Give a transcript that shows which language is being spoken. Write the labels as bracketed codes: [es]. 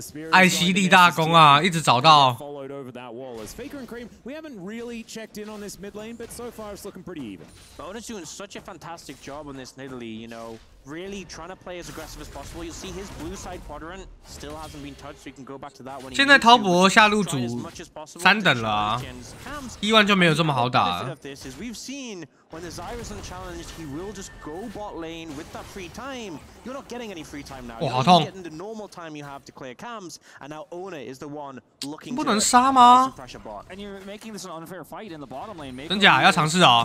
[zh] 艾希立大功啊，一直找到。 [en] Followed over that wall as Faker and Cream. We haven't really checked in on this mid lane, but so far it's looking pretty even. Owner's doing such a fantastic job on this Nidalee, you know. Really trying to play as aggressive as possible. You see his blue side quadrant still hasn't been touched, so you can go back to that one. [zh] 现在滔博下路组三等了啊，一万就没有这么好打。 [en] We've seen when the Zyra's unchallenged, he will just go bot lane with that free time. You're not getting any free time now. [zh] 哇，好痛！ [en] Getting the normal time you have to clear cams, and now Owner is the one looking. [zh] 不能杀吗？ [en] And you're making this an unfair fight in the bottom lane. [zh] 真假？要尝试啊。